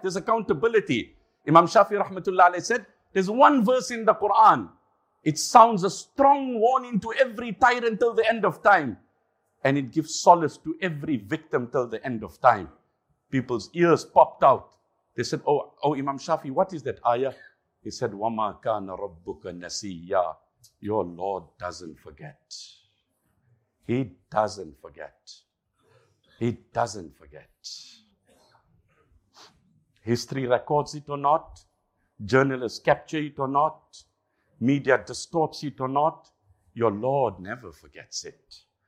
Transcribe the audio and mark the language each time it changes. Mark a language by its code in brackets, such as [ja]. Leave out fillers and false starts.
[en] There's accountability. Imam Shafi rahmatullah alayhi said, there's one verse in the Quran. It sounds a strong warning to every tyrant till the end of time. And it gives solace to every victim till the end of time. People's ears popped out. They said, oh Imam Shafi, what is that ayah? He said, [ar] وَمَا كَانَ رَبُّكَ نَسِيَّا. [en] Your Lord doesn't forget. He doesn't forget. He doesn't forget. History records it or not, journalists capture it or not, media distorts it or not, your Lord never forgets it.